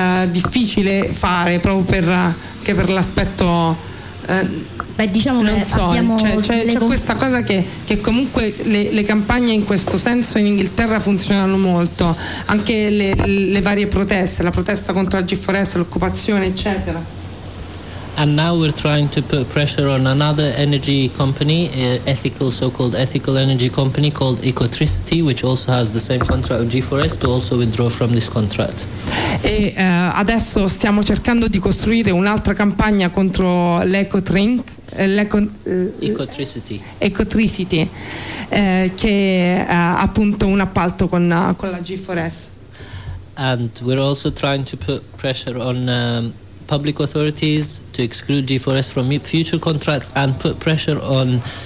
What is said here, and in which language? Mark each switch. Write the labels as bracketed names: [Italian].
[Italian] difficile fare, proprio per l'aspetto c'è questa cosa che comunque le campagne in questo senso in Inghilterra funzionano molto, anche le varie proteste, la protesta contro la G4S, l'occupazione, eccetera. [English] And now we're trying to put pressure on another energy company, so-called ethical energy company called Ecotricity, which also has the same contract with G4S, to also withdraw from this contract. [Italian] E adesso stiamo cercando di costruire un'altra campagna contro Ecotricity, che ha appunto un appalto con la G4S. [English] And we're also trying to put pressure on public authorities to exclude G4S from future contracts, and put pressure on